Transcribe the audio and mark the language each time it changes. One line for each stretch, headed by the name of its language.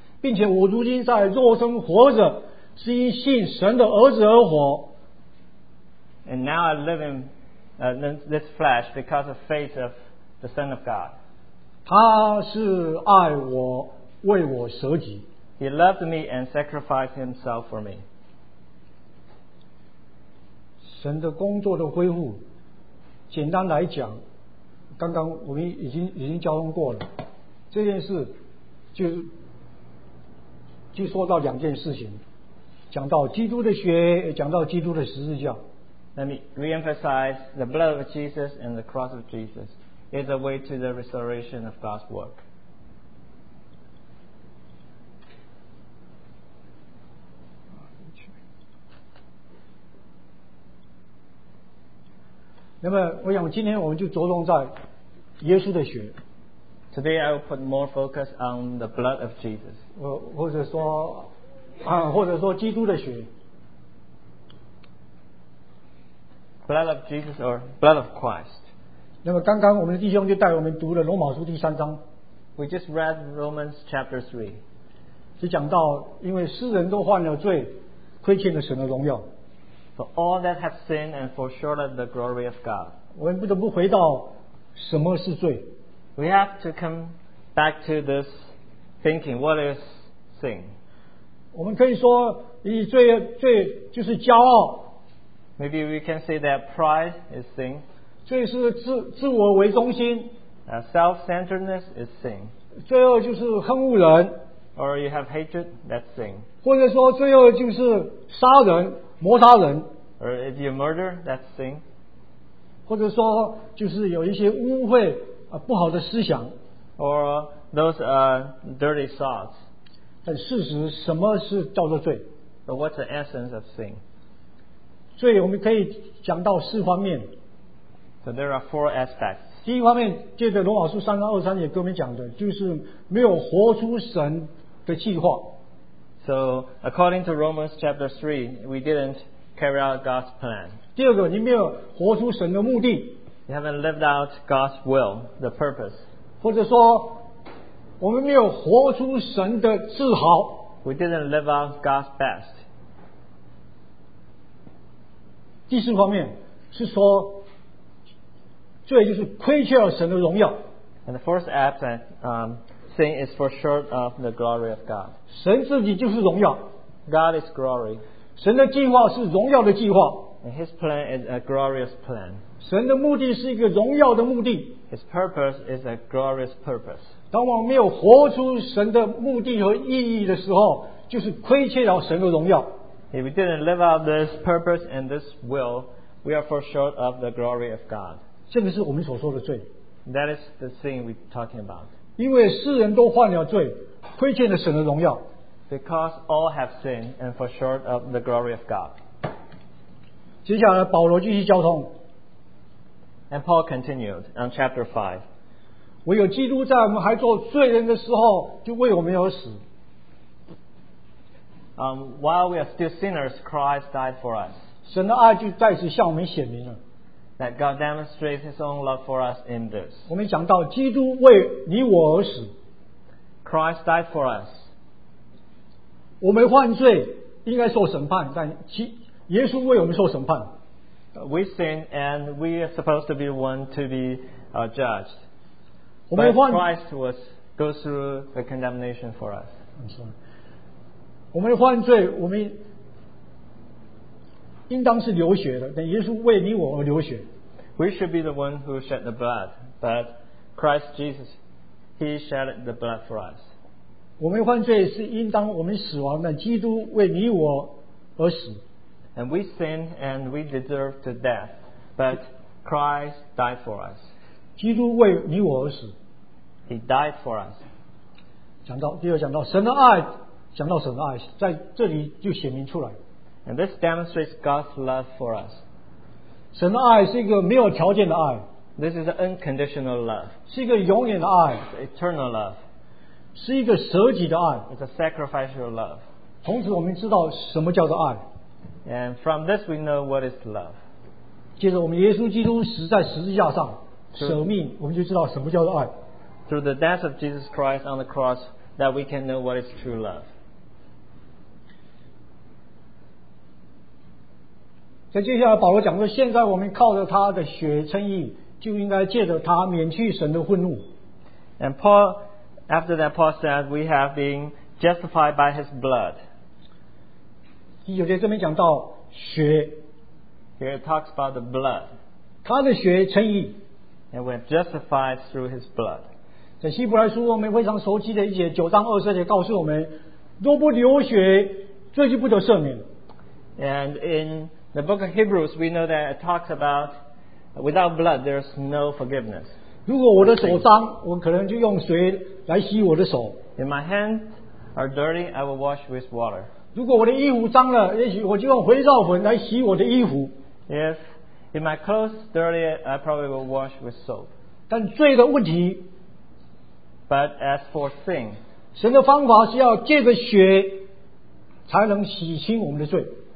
Chinese: 并且我如今在肉身活着，是因信神的儿子而活。
English: And now I live in this flesh because of faith of the Son of God.
Chinese: 他是爱我，为我舍己。
English: He loved me and sacrificed himself for me.
Chinese: 神的工作的恢复，简单来讲，刚刚我们已经交通过了，这件事就说到两件事情，讲到基督的血，讲到基督的十字架。
English: Let me re-emphasize the blood of Jesus and the cross of Jesus is a way to the restoration of God's work.
Chinese: 那么，我想今天我们就着重在耶稣的血。
English: Today I will put more focus on the blood of Jesus.
Chinese: 或者说基督的血。
English: Blood of Jesus or blood of Christ.
Chinese: 那么刚刚我们的弟兄就带我们读了罗马书第三章。
English: We just read Romans chapter 3.
Chinese: 是讲到因为世人都犯了罪，亏欠了神的荣耀。
English: For all that have sinned and for short of the glory of God.
Chinese: 我们不得不回到什么是罪。
English: We have to come back to this thinking. What is sin?
Chinese: 我们可以说罪就是骄傲。
English: Maybe we can say that pride is sin.
Chinese: 罪是自我为中心。
English: Self-centeredness is sin.
Chinese: 罪恶就是恨恶人。
English: Or you have hatred, that's sin.
Chinese: 或者说罪恶就是杀人，谋杀人。
English: Or if you murder, that's sin.
Chinese: 或者说就是有一些污秽，不好的思想。
English: Or those dirty thoughts.
Chinese: 但事实什么是叫做罪？
English: But what's the essence of sin?
Chinese: 所以我们可以讲到四方面。
English: So there are four aspects.
Chinese: 第一方面，借着罗马书三章二三节跟我们讲的，就是没有活出神的计划。
English: So according to Romans chapter 3, we didn't carry out God's plan.
Chinese: 第二个，你没有活出神的目的。
English: You haven't lived out God's will, the purpose.
Chinese: 或者说，我们没有活出神的自豪。
English: We didn't live out God's best.
Chinese: 第四方面是说罪就是亏缺了神的荣耀。
English: And the fourth aspect, sin is for short of the glory of God.
Chinese: 神自己就是荣耀。
English: God is glory.
Chinese: 神的计划是荣耀的计划。
English: And his plan is a glorious plan.
Chinese: 神的目的是一个荣耀的目的。
English: His purpose is a glorious purpose.
Chinese: 当我们没有活出神的目的和意义的时候，就是亏缺了神的荣耀。
English: If we didn't live out this purpose and this will, we are for short of the glory of God.
Chinese: 这个是我们所说的罪。
English: That is the thing we're talking about.
Chinese: 因为世人都犯了罪，亏欠了神的荣耀。
English: Because all have sinned and for short of the glory of God.
Chinese: 接下来保罗继续交通。
English: And Paul continued on chapter 5.
Chinese: 唯有基督在我们还做罪人的时候，就为我们而死。
English: While we are still sinners, Christ died for us.
Chinese: 神的爱就再次向我们显明了。
English: That God demonstrates His own love for us in this.
Chinese: 我们讲到基督为你我而死。
English: Christ died for us.
Chinese: 我们犯罪应该受审判，但耶稣为我们受审判。
English: We sin and we are supposed to be one to be judged.
Chinese: 我们犯
English: But Christ goes through the condemnation for us. I'm sorry.
Chinese: 我们犯罪，我们应当是流血的，但耶稣为你我而流血。
English: We should be the one who shed the blood, but Christ Jesus, He shed the blood for us.
Chinese: 我们犯罪是应当我们死亡，但基督为你我而死。
English: And we sin and we deserve to death, but Christ died for us.
Chinese: 基督为你我而死。
English: He died for us.
Chinese: 讲到第二，讲到神的爱。讲到神的爱，在这里就显明出来。
English: And this demonstrates God's love for us.
Chinese: 神的爱是一个没有条件的爱。
English: This is an unconditional love.
Chinese: 是一个永远的爱。
English: It's an eternal love.
Chinese: 是一个舍己的爱。
English: It's a sacrificial love.
Chinese: 从此我们知道什么叫做爱。
English: And from this we know what is love.
Chinese: 接着我们耶稣基督死在十字架上，舍命，我们就知道什么叫做爱。
English: Through the death of Jesus Christ on the cross, that we can know what is true love.
Chinese: 在接下来保罗讲说，现在我们靠着他的血称义，就应该借着他免去神的愤怒。
English: And Paul, after that, Paul says, we have been justified by his blood.
Chinese: 有些这边讲到血。
English: Here it talks about the blood.
Chinese: 他的血称义。
English: And we're justified through his blood.
Chinese: 在希伯来书我们非常熟悉的一节九章二十节告诉我们，若不流血，罪就不得赦免。
English: And in the book of Hebrews, we know that it talks about without blood, there is no forgiveness.
Chinese: 如果我的手脏，我可能就用水来洗我的手。
English: If my hands are dirty, I will wash with water.
Chinese: 如果我的衣服脏了，也许我就用肥皂粉来洗我的衣服。
English: If my clothes are dirty, I probably will wash with soap.
Chinese: 但罪的问题。
English: But as for sin,
Chinese: 神的方法是要借着血才能洗清我们的罪。